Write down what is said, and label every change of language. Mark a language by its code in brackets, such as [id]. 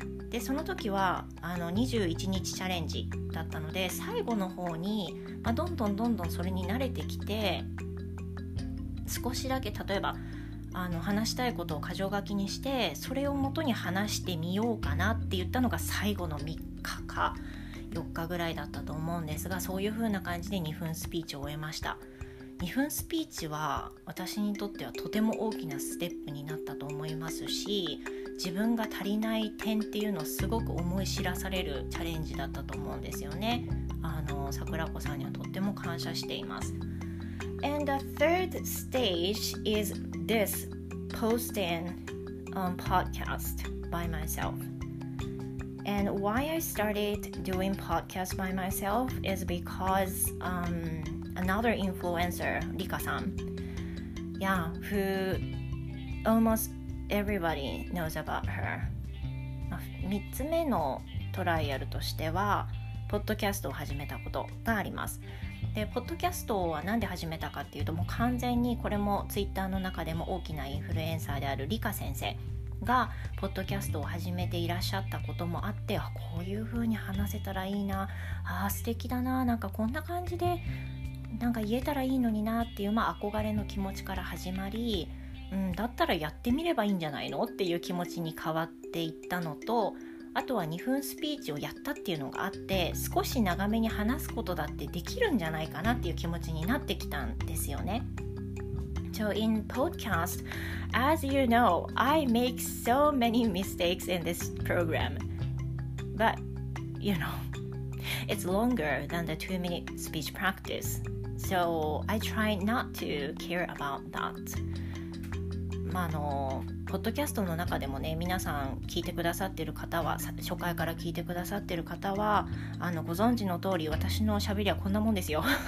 [ja] でその時は21日チャレンジだったので、最後の方に、まあ、どんどんどんどんそれに慣れてきて、少しだけ例えば話したいことを箇条書きにして、それを元に話してみようかなって言ったのが最後の3日か4日ぐらいだったと思うんですが、そういう風な感じで2分スピーチを終えました。 2分スピーチは私にとってはとても大きなステップになったと思いますし、自分が足りない点っていうのをすごく思い知らされるチャレンジだったと思うんですよね。桜子さんにはとっても感謝しています。 [en] And the third stage is this posting on podcast by myself. And why I started doing podcast by myself is because another influencer, Rika-san, yeah, who almost everybody knows about her. [ja] 3つ目のトライアルとしては、ポッドキャストを始めたことがあります。で、ポッドキャストはなんで始めたかっていうと、もう完全にこれもツイッターの中でも大きなインフルエンサーであるリカ先生がポッドキャストを始めていらっしゃったこともあって、あ、こういう風に話せたらいいな、あ、素敵だな、なんかこんな感じでなんか言えたらいいのになっていう、まあ、憧れの気持ちから始まり、うん、だったらやってみればいいんじゃないのっていう気持ちに変わっていったのと、あとは2分スピーチをやったっていうのがあって、少し長めに話すことだってできるんじゃないかなっていう気持ちになってきたんですよね。 [en] So in podcast, as you know, I make so many mistakes in this program. But, you know, it's longer than the 2-minute speech practice. So I try not to care about that. [ja] まあ、ポポッドキャストの中でもね、皆さん聞いてくださっている方は、初回から聞いてくださっている方は、ご存知の通り、私の喋りはこんなもんですよ。